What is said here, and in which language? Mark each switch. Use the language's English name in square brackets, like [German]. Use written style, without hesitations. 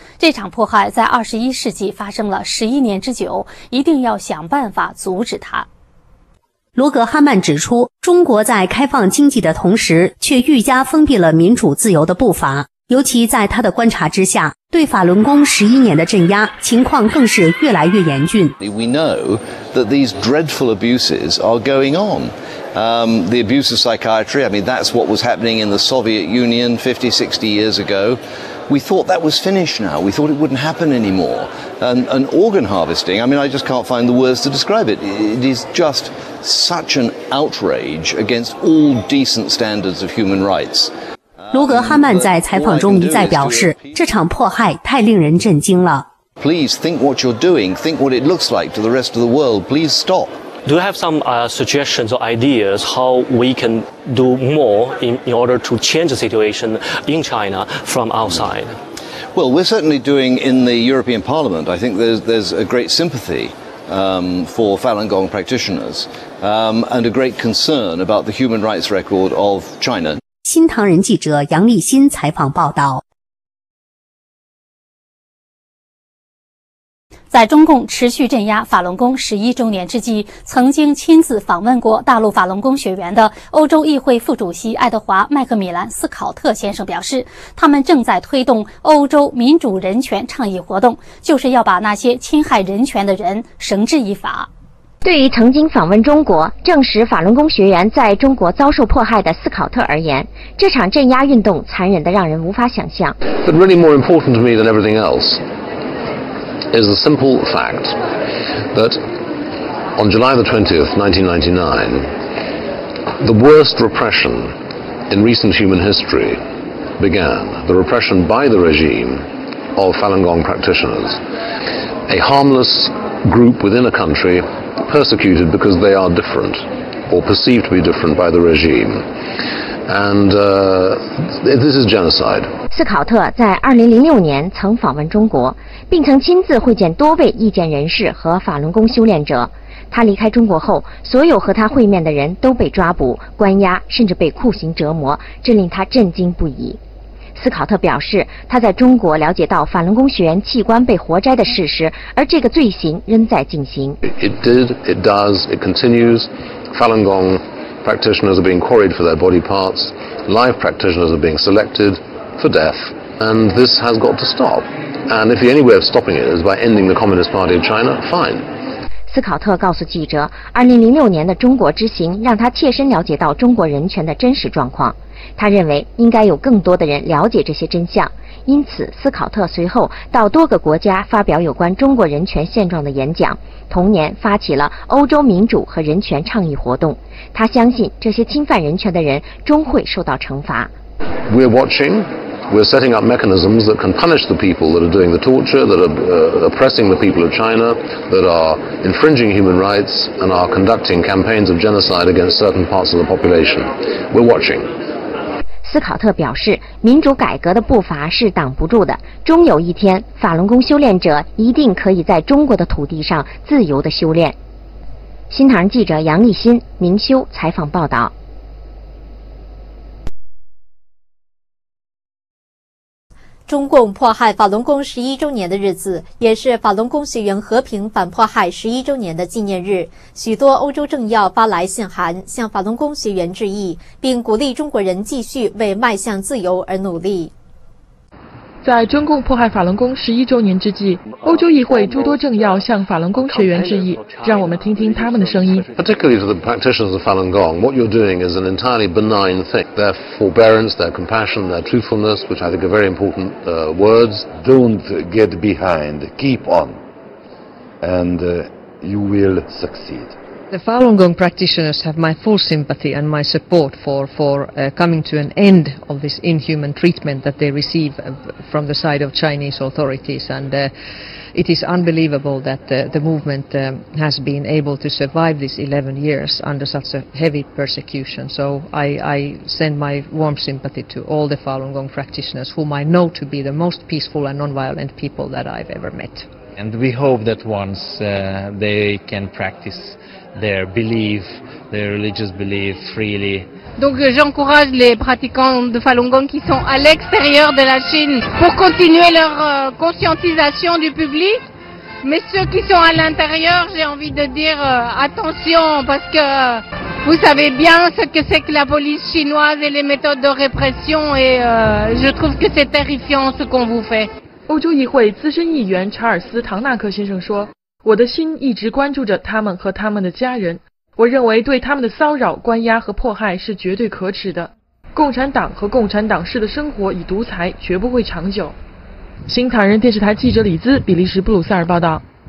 [Chinese] 这场迫害在21世纪发生了11年之久，一定要想办法阻止它。罗格·哈曼指出，中国在开放经济的同时却愈加封闭了民主自由的步伐，尤其在他的观察之下，对法轮功11年的镇压情况更是越来越严峻。 [English] We know that these dreadful abuses are going on. The abuse of psychiatry, I mean, that's what was happening in the Soviet Union 50-60 years ago. We thought that was finished now. We thought it wouldn't happen anymore. And organ harvesting, I mean, I just can't find the words to describe it. It is justsuch an outrage against all decent standards of human rights. [Chinese] 罗格·哈曼在采访中一再表示，这场迫害太令人震惊了。 [English] Please think what you're doing. Think what it looks like to the rest of the world. Please stop. Do you have some suggestions or ideas how we can do more in order to change the situation in China from outside? Well, we're certainly doing in the European Parliament. I think there's a great sympathy. For Falun Gong practitioners, and a great concern about the human rights record of China. [Chinese] 新唐人记者杨立新采访报道。在中共持续镇压法轮功11周年之际，曾经亲自访问过大陆法轮功学员的欧洲议会副主席爱德华·麦克米兰·斯考特先生表示，他们正在推动欧洲民主人权倡议活动，就是要把那些侵害人权的人绳之以法。对于曾经访问中国证实法轮功学员在中国遭受迫害的斯考特而言，这场镇压运动残忍得让人无法想象。 [English] But really more important to me than everything elseis the simple fact that on July the 20th, 1999, the worst repression in recent human history began, the repression by the regime of Falun Gong practitioners, a harmless group within a country persecuted because they are different or perceived to be different by the regime. And this is genocide. [Chinese] 斯考特在2006年曾访问中国，并曾亲自会见多位意见人士和法轮功修炼者。他离开中国后，所有和他会面的人都被抓捕、关押，甚至被酷刑折磨，这令他震惊不已。斯考特表示，他在中国了解到法轮功学员器官被活摘的事实，而这个罪行仍在进行。 [English] It did, it does, it continues. Falun Gong practitioners are being quarried for their body parts. Live practitioners are being selected for death. And this has got to stop. And if the only way of stopping it is by ending the Communist Party of China, fine. [Chinese] 斯考特告诉记者，2006年的中国之行让他切身了解到中国人权的真实状况。他认为应该有更多的人了解这些真相。因此，斯考特随后到多个国家发表有关中国人权现状的演讲，同年发起了欧洲民主和人权倡议活动。他相信这些侵犯人权的人终会受到惩罚。 [English] We're watching. We're setting up mechanisms that can punish the people that are doing the torture, that are oppressing the people of China, that are infringing human rights, and are conducting campaigns of genocide against certain parts of the population. We're watching. [Chinese] 斯考特表示，民主改革的步伐是挡不住的，终有一天，法轮功修炼者一定可以在中国的土地上自由地修炼。新唐人记者杨立新、明修采访报道。中共迫害法轮功11周年的日子，也是法轮功学员和平反迫害11周年的纪念日。许多欧洲政要发来信函，向法轮功学员致意，并鼓励中国人继续为迈向自由而努力。在中共迫害法轮功11周年之际，欧洲议会诸多政要向法轮功学员致意，让我们听听他们的声音。 [English] Particularly to the practitioners of Falun Gong, what you're doing is an entirely benign thing. Their forbearance, their compassion, their truthfulness, which I think are very important words. Don't get behind, keep on, and you will succeed. The Falun Gong practitioners have my full sympathy and my support for coming to an end of this inhuman treatment that they receive from the side of Chinese authorities. And It is unbelievable that the movement has been able to survive these 11 years under such a heavy persecution. So I send my warm sympathy to all the Falun Gong practitioners, whom I know to be the most peaceful and non-violent people that I've ever met. And we hope that once they can practice their belief, their religious belief, freely. [French] Donc j'encourage les pratiquants de Falun Gong qui sont à l'extérieur de la Chine pour continuer leur conscientisation du public. Mais ceux qui sont à l'intérieur, j'ai envie de dire attention, parce que vous savez bien ce que c'est que la police chinoise et les méthodes de répression, et je trouve que c'est terrifiant ce qu'on vous fait. [Chinese] 欧洲议会资深议员查尔斯·唐纳克先生说，我的心一直关注着他们和他们的家人，我认为对他们的骚扰、关押和迫害是绝对可耻的。共产党和共产党式的生活以独裁绝不会长久。新唐人电视台记者李兹，比利时布鲁塞尔报道。